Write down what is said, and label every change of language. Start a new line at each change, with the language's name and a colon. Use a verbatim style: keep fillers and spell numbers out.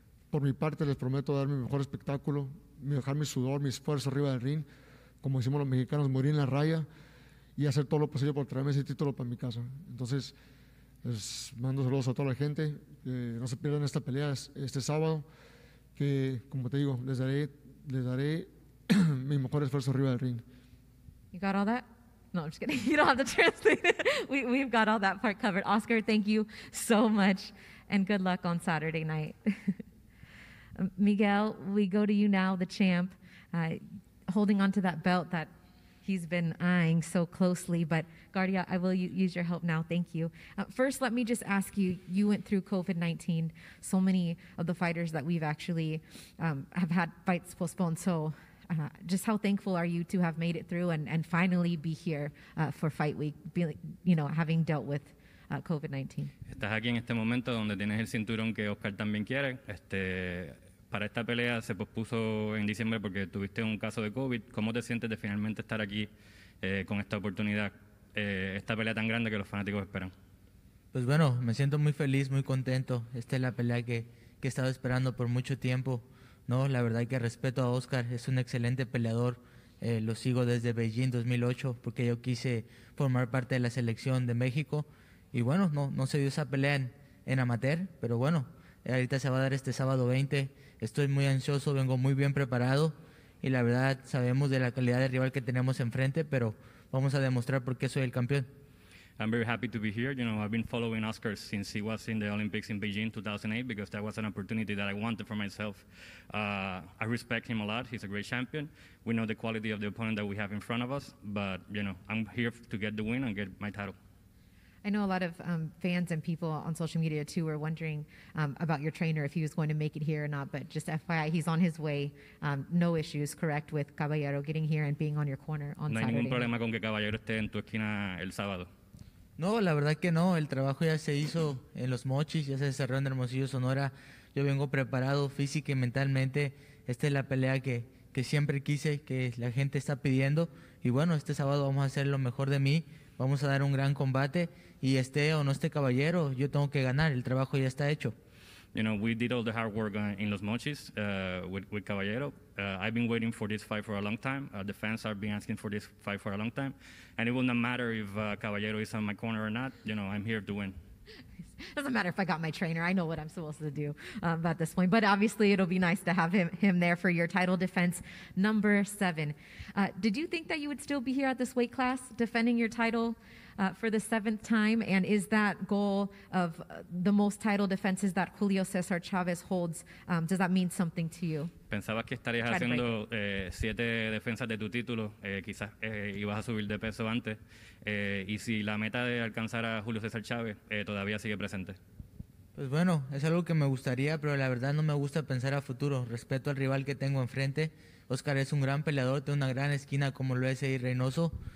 Spanish: Por mi parte, les prometo dar mi mejor espectáculo, dejar mi sudor, mi esfuerzo arriba del ring, como decimos los mexicanos, morir en la raya, y hacer todo lo posible por traerme ese título para mi casa. Entonces, les mando saludos a toda la gente, que no se pierdan esta pelea este sábado, que, como te digo, les daré, les daré mi mejor esfuerzo arriba del ring.
English: You got all that? No, I'm just kidding. You don't have to translate it. We, we've got all that part covered. Oscar, thank you so much, and good luck on Saturday night. Miguel, we go to you now, the champ, uh, holding on to that belt that he's been eyeing so closely, but Guardia, I will u- use your help now. Thank you. Uh, first, let me just ask you, you went through covid nineteen. So many of the fighters that we've actually um, have had fights postponed. So uh, just how thankful are you to have made it through and, and finally be here uh, for Fight Week, be, you know, having dealt with uh, covid nineteen?
Spanish: Estás aquí en este momento donde tienes el cinturón que Oscar también quiere. Este... Para esta pelea se pospuso en diciembre porque tuviste un caso de COVID. ¿Cómo te sientes de finalmente estar aquí eh, con esta oportunidad, eh, esta pelea tan grande que los fanáticos esperan? Pues bueno, me siento muy feliz, muy contento. Esta es la pelea que, que he estado esperando por mucho tiempo, ¿no? La verdad que respeto a Oscar, es un excelente peleador. Eh, lo sigo desde Beijing dos mil ocho porque yo quise formar parte de la selección de México. Y bueno, no, no se dio esa pelea en, en amateur, pero bueno, eh, ahorita se va a dar este sábado veinte. Estoy muy ansioso, vengo muy bien preparado y la verdad sabemos de la calidad de rival que tenemos enfrente, pero vamos a demostrar por qué soy el campeón.
English: I'm very happy to be here. You know, I've been following Oscar since he was in the Olympics in Beijing two thousand eight because that was an opportunity that I wanted for myself. Uh, I respect him a lot. He's a great champion. We know the quality of the opponent that we have in front of us, but you know, I'm here to get the win and get my title. I know a lot of um, fans and people on social media, too, were wondering um, about your trainer, if he was going to make it here or not. But just F Y I, he's on his way. Um, no issues, correct, with Caballero getting here and being on your corner on no Saturday?
Spanish: No hay ningún problema con que Caballero esté en tu esquina el sábado. No, la verdad que no. El trabajo ya se hizo en Los Mochis, ya se desarrolló en Hermosillo, Sonora. Yo vengo preparado física y mentalmente. Esta es la pelea que, que siempre quise, que la gente está pidiendo. Y bueno, este sábado vamos a hacer lo mejor de mí. Vamos a dar un gran combate. Y esté o no esté Caballero, yo tengo que ganar. El trabajo ya está hecho.
English: You know, we did all the hard work on, in Los Mochis uh, with, with Caballero. Uh, I've been waiting for this fight for a long time. Uh, the fans have been asking for this fight for a long time. And it will not matter if uh, Caballero is on my corner or not. You know, I'm here to win. Doesn't matter if I got my trainer. I know what I'm supposed to do um, at this point. But obviously, it'll be nice to have him him there for your title defense. Number seven. Uh, did you think that you would still be here at this weight class defending your title uh, for the seventh time? And is that goal of uh, the most title defenses that Julio Cesar Chavez holds, um, does that mean something to you?
Spanish: ¿Pensabas que estarías haciendo eh, siete defensas de tu título? Eh, quizás eh, ibas a subir de peso antes. Eh, y si la meta de alcanzar a Julio César Chávez eh, todavía sigue presente. Pues bueno, es algo que me gustaría, pero la verdad no me gusta pensar a futuro. Respeto al rival que tengo enfrente. Oscar es un gran peleador, tiene una gran esquina como lo es Eddie Reynoso.